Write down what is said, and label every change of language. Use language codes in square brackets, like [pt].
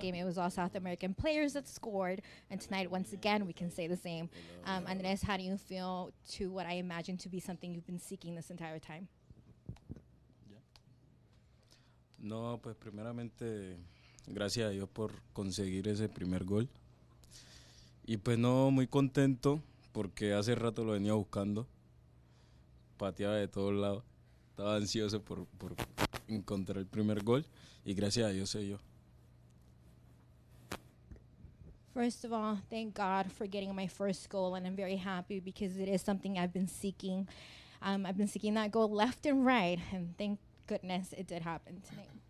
[en] Game, it was all South American players that scored. And tonight, once again, we can say the same. Andres, how do you feel to what I imagine to be something you've been seeking this entire time? [es] No, pues primeramente, gracias a Dios por conseguir ese primer gol. Y pues no, muy contento, porque hace rato lo venía buscando. Pateaba de todos lados. Estaba ansioso por encontrar el primer gol, y gracias a Dios se dio. [en] First of all, thank God for getting my first goal, and I'm very happy because it is something I've been seeking. I've been seeking that goal left and right, and thank goodness it did happen tonight.